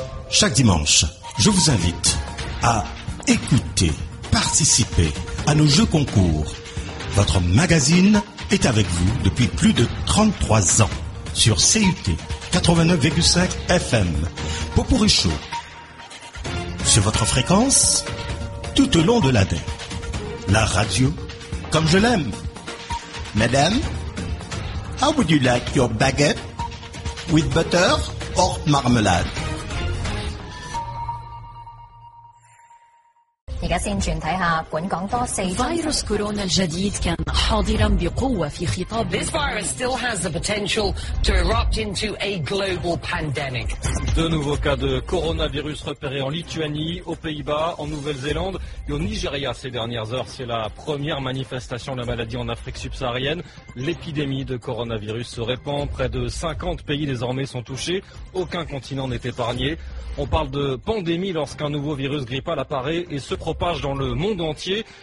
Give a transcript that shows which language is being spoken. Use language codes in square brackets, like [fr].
[fr] Chaque dimanche, je vous invite à écouter, participer à nos jeux concours. Votre magazine est avec vous depuis plus de 33 ans sur CUT 89,5 FM. Popourri Show, sur votre fréquence, tout au long de l'année. La radio, comme je l'aime. [en] Madame, how would you like your baguette with butter or marmelade? [ar] فيروس كورونا الجديد كان حاضرا بقوة في خطاب. [en] This virus still has the potential to erupt into a global pandemic. [fr] De nouveaux cas de coronavirus repérés en Lituanie, aux Pays-Bas, en Nouvelle-Zélande et au Nigeria ces dernières heures. C'est la première manifestation de la maladie en Afrique subsaharienne. L'épidémie de coronavirus se répand. Près de 50 pays désormais sont touchés. Aucun continent n'est épargné. On parle de pandémie lorsqu'un nouveau virus grippal apparaît et se propage dans le monde entier.